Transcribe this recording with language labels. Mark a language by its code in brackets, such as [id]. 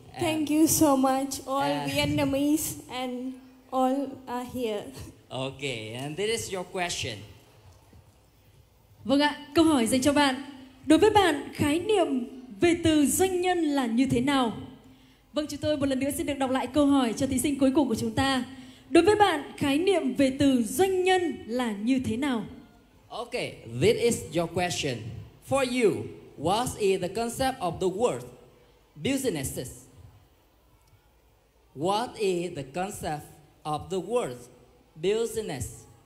[en] Thank you so much, all Vietnamese and all are here. Okay, and this is your question. [vi] Vâng ạ, câu hỏi dành cho bạn. Đối với bạn, khái niệm về từ doanh nhân là như thế nào? Vâng, chúng tôi một lần nữa xin được đọc lại câu hỏi cho thí sinh cuối cùng của chúng ta. Đối với bạn, khái niệm về từ doanh nhân là như thế nào? [en] Okay, this is your question. For you, what is the concept of the word businesses? What is the concept of the word business?